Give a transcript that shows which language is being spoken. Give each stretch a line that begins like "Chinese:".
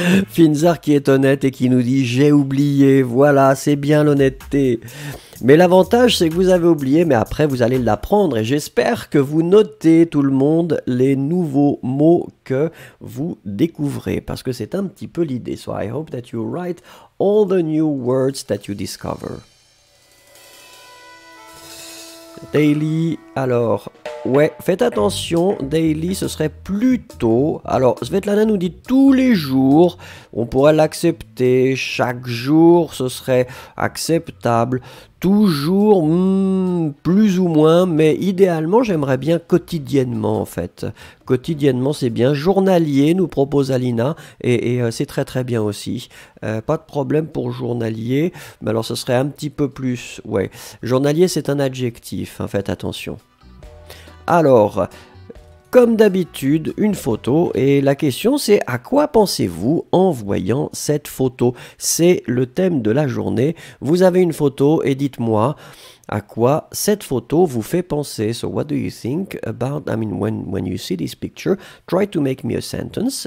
French: Finzar qui est honnête et qui nous dit j'ai oublié, voilà, c'est bien l'honnêteté. Mais l'avantage c'est que vous avez oublié, mais après vous allez l'apprendre et j'espère que vous notez tout le monde les nouveaux mots que vous découvrez parce que c'est un petit peu l'idée.
English: So I hope that you write all the new words that you discover.
French: Daily, alors, ouais, faites attention, daily, ce serait plutôt, alors, Svetlana nous dit tous les jours, on pourrait l'accepter, chaque jour, ce serait acceptable, toujours, plus ou moins, mais idéalement, j'aimerais bien quotidiennement, en fait, quotidiennement, c'est bien, journalier, nous propose Alina, et c'est très très bien aussi, pas de problème pour journalier, mais alors, ce serait un petit peu plus, ouais, journalier, c'est un adjectif, hein, faites attention. Alors, comme d'habitude, une photo et la question c'est à quoi pensez-vous en voyant cette photo ? C'est le thème de la journée. Vous avez une photo et dites-moi à quoi cette photo vous fait penser.
English: So what do you think about, I mean when you see this picture, try to make me a sentence.